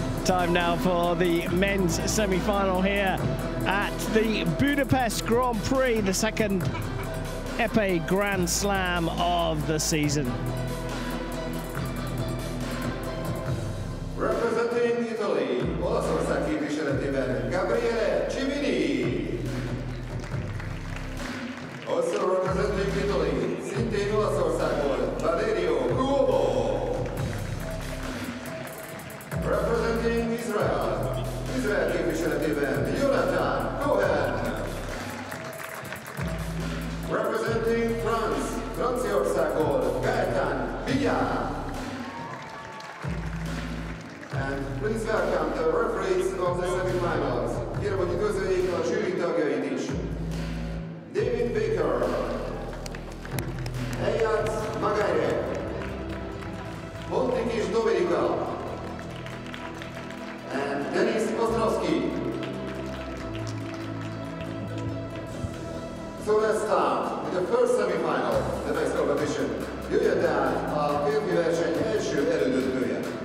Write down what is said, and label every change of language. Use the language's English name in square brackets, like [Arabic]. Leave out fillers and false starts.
[English] Time now for the men's semi-final here at the Budapest Grand Prix, the second Epe Grand Slam of the season. Representing Italy, [Hungarian] Olaszország képviseletében [English] Gabriele Civini. Also representing Italy, [Hungarian] szintén Olaszországból [English] Valerio Cuomo. Representing Israel, Israel [Hungarian] képviseletében [English] Jonathan Cohen. Representing France, [Hungarian] Franciaországból [English] Gaetan Villa. And please welcome the referees of the semifinals. [Hungarian] Kérem, hogy üdvözöljék a zsűri tagjait is. [English] David Baker, Eyad Magaire, Montikis Dominika, and Denis Ostrowski. So let's start with the first semi-final, the next competition. [Hungarian] Jöjjön tehát a férfi verseny első elődöntője.